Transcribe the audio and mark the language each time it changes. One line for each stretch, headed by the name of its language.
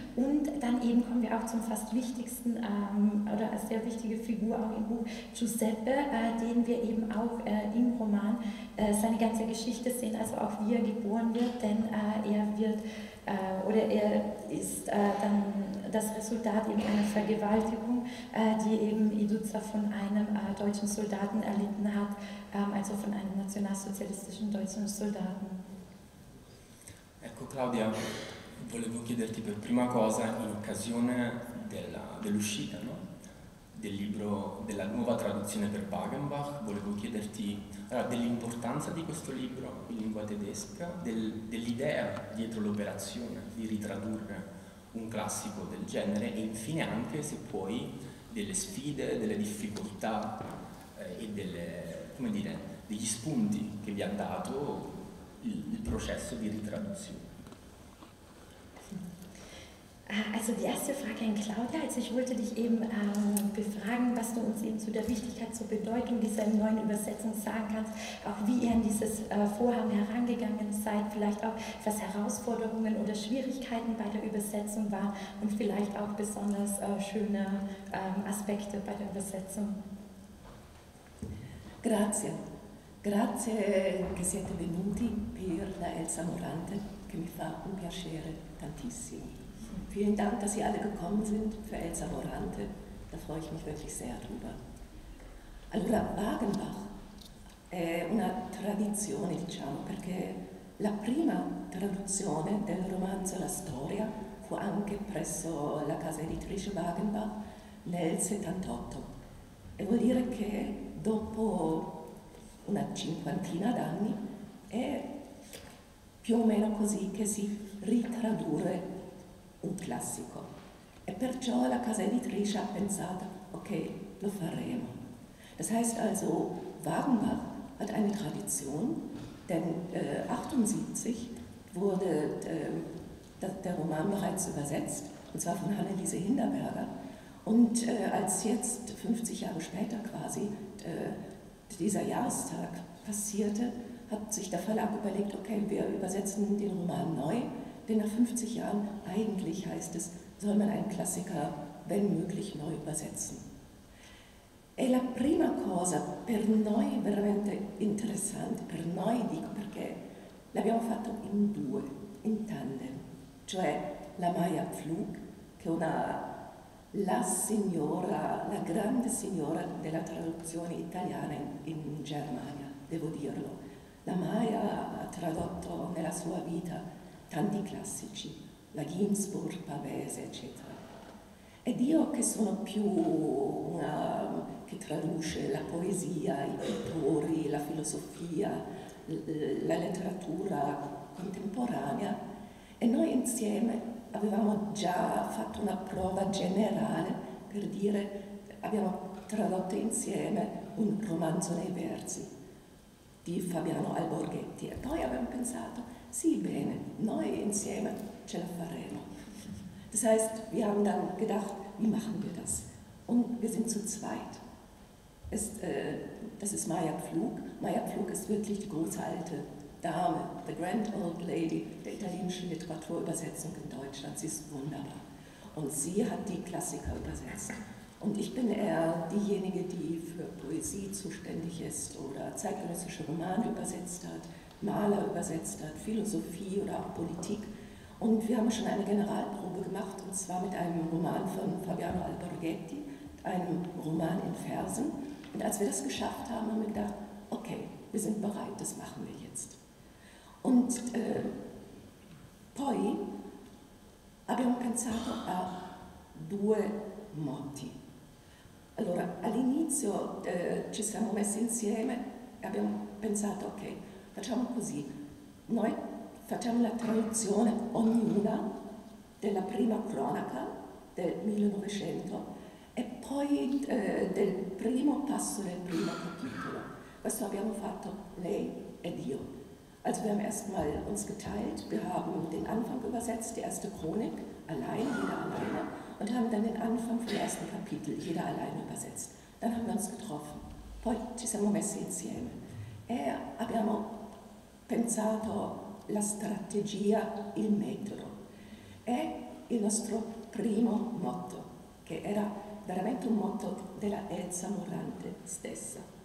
German: Und dann eben kommen wir auch zum fast wichtigsten oder als sehr wichtige Figur auch im Buch, Giuseppe, den wir eben auch im Roman seine ganze Geschichte sehen, also auch wie er geboren wird, denn er wird oder er ist dann das Resultat eben einer Vergewaltigung, die eben Iduza von einem deutschen Soldaten erlitten hat, also von einem nationalsozialistischen deutschen Soldaten.
Italian: Ecco Claudia, volevo chiederti per prima cosa in occasione dell'uscita, no? Del libro, della nuova traduzione per Wagenbach, volevo chiederti dell'importanza di questo libro in lingua tedesca, dell'idea dietro l'operazione di ritradurre un classico del genere e infine anche, se puoi, delle sfide, delle difficoltà e delle, come dire, degli spunti che vi ha dato il processo di ritraduzione.
German: Also die erste Frage an Claudia, also ich wollte dich eben befragen, was du uns eben zu der Wichtigkeit, zur Bedeutung dieser neuen Übersetzung sagen kannst, auch wie ihr an dieses Vorhaben herangegangen seid, vielleicht auch was Herausforderungen oder Schwierigkeiten bei der Übersetzung waren und vielleicht auch besonders schöne Aspekte bei der Übersetzung.
Italian: Grazie. Grazie che siete venuti per la Elsa Morante, che mi fa un piacere tantissimo.
German: Vielen Dank, dass Sie alle gekommen sind für Elsa Morante. Da freue ich mich wirklich sehr drüber.
Italian: Allora, Wagenbach è una tradizione, diciamo, perché la prima traduzione del romanzo La Storia fu anche presso la casa editrice Wagenbach nel 78. E vuol dire che dopo una cinquantina d'anni è più o meno così che si ritradurre un classico, e perciò la casa editrice ha pensato, ok, lo faremo.
German: Das heißt also, Wagenbach hat eine Tradition, denn 78 wurde der Roman bereits übersetzt, und zwar von Hanneliese Hinderberger, und als jetzt 50 Jahre später quasi dieser Jahrestag passierte, hat sich der Verlag überlegt, okay, wir übersetzen den Roman neu. Denn nach 50 Jahren, eigentlich heißt es, soll man einen Klassiker, wenn möglich, neu übersetzen.
Italian: E la prima cosa per noi veramente interessante, per noi dico perché, l'abbiamo fatto in due, in tandem. Cioè la Maya Pflug, che è una, la signora, la grande signora della traduzione italiana in Germania, devo dirlo. La Maya ha tradotto nella sua vita tanti classici, la Ginsburg, Pavese, eccetera. Ed io che sono più una che traduce la poesia, i pittori, la filosofia, la letteratura contemporanea, e noi insieme avevamo già fatto una prova generale per dire, abbiamo tradotto insieme un romanzo nei versi di Fabiano Alborghetti, e poi abbiamo pensato, sì, bene, noi insieme ce la faremo.
German: Das heißt, wir haben dann gedacht, wie machen wir das? Und wir sind zu zweit. Das ist Maya Pflug. Maya Pflug ist wirklich die große alte Dame,
English: the grand old lady
German: der italienischen Literaturübersetzung in Deutschland. Sie ist wunderbar. und sie hat die Klassiker übersetzt. Und ich bin eher diejenige, die für Poesie zuständig ist oder zeitgenössische Romane übersetzt hat, Maler übersetzt hat, Philosophie oder auch Politik. Und wir haben schon eine Generalprobe gemacht, und zwar mit einem Roman von Fabiano Alberghetti, einem Roman in Versen. Und als wir das geschafft haben, haben wir gedacht, okay, wir sind bereit, das machen wir jetzt. Und
Italian: poi abbiamo pensato a due motti. Allora, all'inizio ci siamo messi insieme e abbiamo pensato, ok, facciamo così, noi facciamo la traduzione ognuna della prima cronaca del 1900 e poi del primo passo del primo capitolo. Questo abbiamo fatto lei ed io.
German: Also wir haben erstmal uns geteilt, wir haben den Anfang übersetzt, die erste Chronik, allein, jeder alleine, und haben dann den Anfang vom ersten Kapitel, jeder alleine übersetzt. Dann haben wir uns getroffen.
Italian: Poi ci siamo messi insieme. E abbiamo pensato la strategia, il metodo. E il nostro primo motto, che era veramente un motto della Elsa Morante stessa.